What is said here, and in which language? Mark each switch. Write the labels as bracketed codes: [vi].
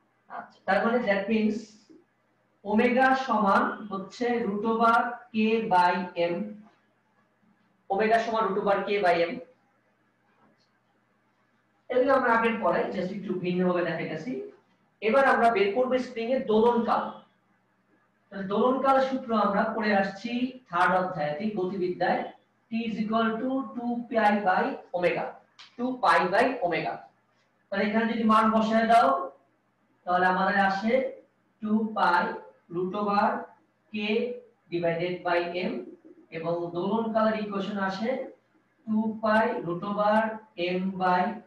[bn] আচ্ছা, তার মানে দ্যাট মিন্স ওমেগা সমান হচ্ছে root over k by m, omega সমান root over k by m। এগুলো আমরা আগের পরে জাস্ট একটু ভিন্নভাবে দেখে গেছি। এবার আমরা বের করব স্প্রিং এর দোলনকাল। তাহলে দোলনকাল সূত্র আমরা পড়ে আসছি থার্ড অধ্যায়ে, গতিবিদ্যায়। [en] T is equal to 2pi by omega, 2pi by omega। [bn] তাহলে এখানে যদি মান বসায় দাও তাহলে আমাদের আসে [en] 2pi root over k divided by m, [bn] এবং দোলনকালের ইকুয়েশন আসে [en] 2pi root over m by।